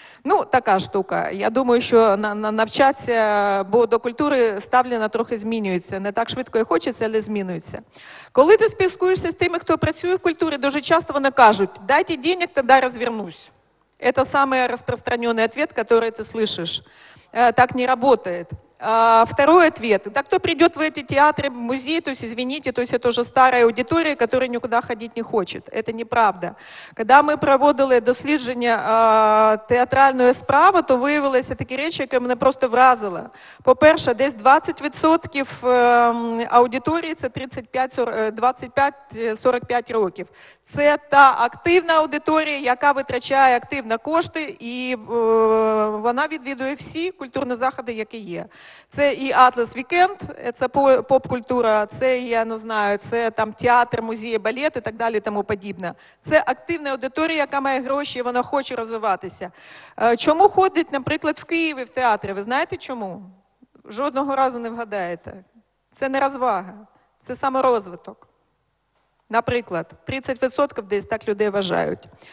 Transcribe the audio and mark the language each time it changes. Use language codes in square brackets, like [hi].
[uk] Ну, така штука. Я думаю, що навчатися, бо до культури ставлення трохи змінюється. Не так швидко і хочеться, але змінюється. Коли ти спілкуєшся з тими, хто працює в культурі, дуже часто вони кажуть, [ru] дайте денег, [uk] тоді розвернусь. Це самий розпространений ответ, який ти слышиш. Так не працює. [ru] Второй ответ. Так кто придет в эти театры, музеи, то есть извините, то есть это уже старая аудитория, которая никуда ходить не хочет. Это неправда. Когда мы проводили дослідження театральную справу, то выявилось такие речи, которые меня просто вразило. [uk] По-перше, десь [ru] 20% аудитории – это 25-45 років. [uk] Це та активна аудиторія, яка витрачає активно кошти, і вона відвідує всі культурні заходи, які є. Це і Atlas Weekend, це поп-культура, це, я не знаю, це там театр, музеї, балет і так далі, тому подібне. Це активна аудиторія, яка має гроші, і вона хоче розвиватися. Чому ходить, наприклад, в Києві в театри? Ви знаєте чому? Жодного разу не вгадаєте. Це не розвага, це саморозвиток. Наприклад, 30% десь так людей вважають.